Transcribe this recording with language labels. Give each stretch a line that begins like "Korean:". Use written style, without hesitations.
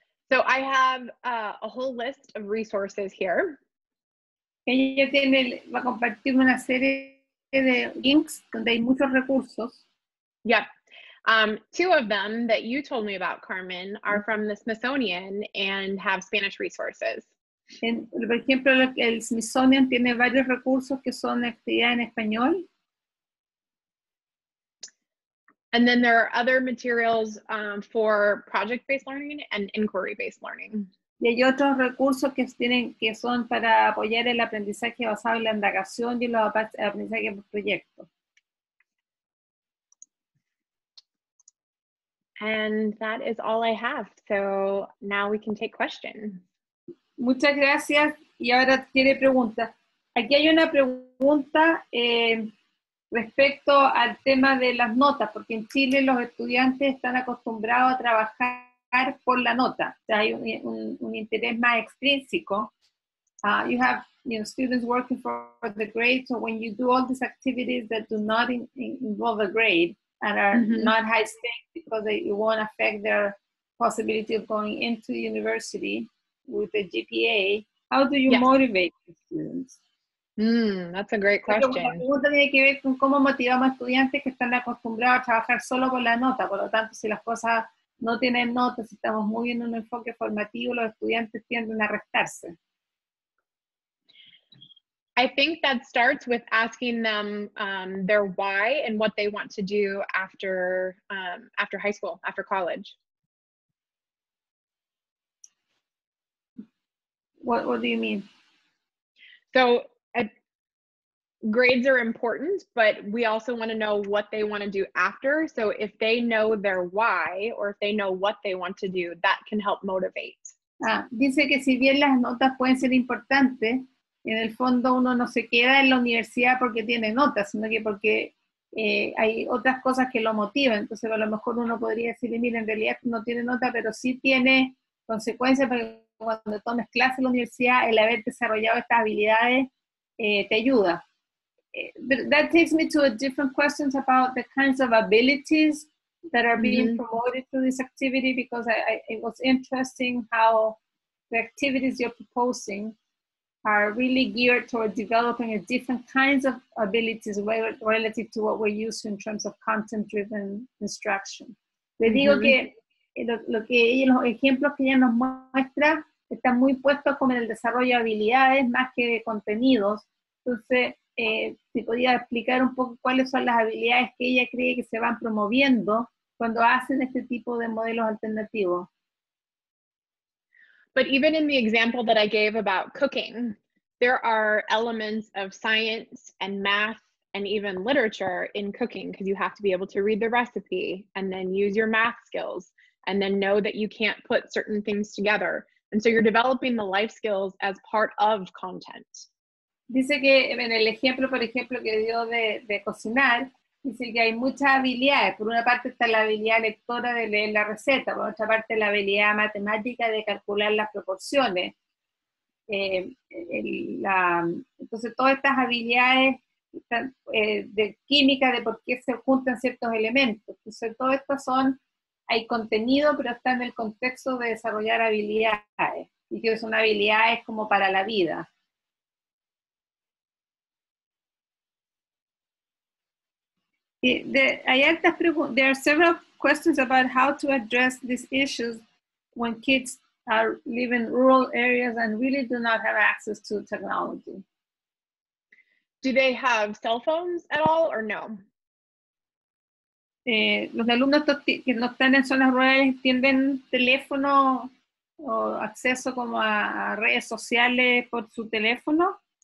English: So I have a whole list of resources here.
Spanish: Ella tiene, va a compartir una serie de links donde hay muchos recursos.
English: Yeah. Two of them that you told me about, Carmen, are from the Smithsonian and have Spanish resources.
Spanish: Por ejemplo, el Smithsonian tiene varios recursos que son actividades en español.
English: And then there are other materials for project-based learning and inquiry-based learning.
Spanish: Y hay otros recursos que tienen que son para apoyar el aprendizaje basado en la indagación y los aprendizajes por proyecto.
English: And that is all I have. So now we can take questions.
Spanish: Muchas gracias. Y ahora tiene preguntas. Aquí hay una pregunta respecto al tema de las notas, porque en Chile los estudiantes están acostumbrados a trabajar por la nota. O sea, hay un interés más extrínseco.
English: You have, you know, students working for the grade. So when you do all these activities that do not involve a grade, and are mm-hmm. not high stakes because it won't affect their possibility of going into university with a GPA. How do you yes. motivate the students? That's a great question.
Spanish: La pregunta tiene que ver con cómo motivamos a estudiantes que están acostumbrados a trabajar solo con la nota. Por lo tanto, si las cosas no tienen notas, si estamos muy en un enfoque formativo, los estudiantes tienden a restarse.
English: I think that starts with asking them their why and what they want to do after after high school, after college. What do you mean? So grades are important, but we also want to know what they want to do after. So if they know their why or if they know what they want to do, that can help motivate.
Spanish: Dice que si bien las notas pueden ser importantes, en el fondo uno no se queda en la universidad porque tiene notas, sino que porque hay otras cosas que lo motivan. Entonces a lo mejor uno podría decirle, mira, en realidad no tiene nota, pero sí tiene consecuencias, porque cuando tomes clase en la universidad, el haber desarrollado estas habilidades te ayuda.
English: That takes me to a different question about the kinds of abilities that are being mm-hmm. promoted through this activity, because it was interesting how the activities you're proposing are really geared toward developing a different kinds of abilities relative to what we're used to in terms of content-driven instruction.
Spanish: Le digo mm-hmm. que lo que ella, los ejemplos que ella nos muestra están muy puestos como en el desarrollo de habilidades más que de contenidos. Entonces, si podía explicar un poco cuáles son las habilidades que ella cree que se van promoviendo cuando hacen este tipo de modelos alternativos.
English: But even in the example that I gave about cooking, there are elements of science and math and even literature in cooking, because you have to be able to read the recipe and then use your math skills and then know that you can't put certain things together. And so you're developing the life skills as part of content.
Spanish: Dice que en el ejemplo, por ejemplo, que dio de cocinar, dice que hay muchas habilidades. Por una parte está la habilidad lectora de leer la receta. Por otra parte, la habilidad matemática de calcular las proporciones. Entonces, todas estas habilidades de química, de por qué se juntan ciertos elementos. Entonces, todo esto son, hay contenido, pero está en el contexto de desarrollar habilidades. Y que son habilidades como para la vida.
English: There are several questions about how to address these issues when kids are live in rural areas and really do not have access to technology. Do they have cell phones at all or no?
Spanish: Los alumnos que no están en zonas rurales tienen teléfono o acceso como a redes sociales por su teléfono.